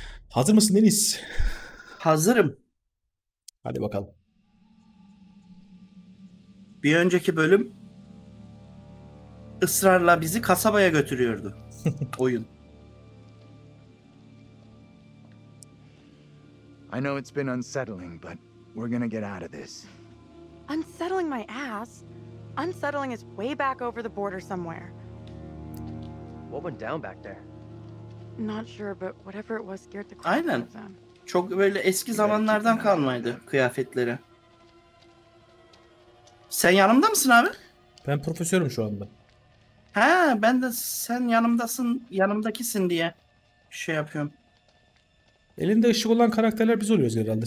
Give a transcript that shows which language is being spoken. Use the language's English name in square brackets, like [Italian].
[Turkish] Hazır mısın Deniz? Hazırım. Hadi bakalım. Bir önceki bölüm ısrarla bizi kasabaya götürüyordu oyun. [English] I know it's been unsettling, but we're gonna get out of this. Unsettling my ass. Unsettling is way back over the border somewhere. What went down back there? Not sure, but whatever it was scared the crap out [Turkish] Aynen. [English] of them. [Turkish] Çok böyle eski zamanlardan kalmaydı kıyafetleri. Sen yanımda mısın abi? Ben profesörüm şu anda. Ha, ben de sen yanımdasın, yanımdakisin diye şey yapıyorum. Elinde ışık olan karakterler biz oluyoruz herhalde.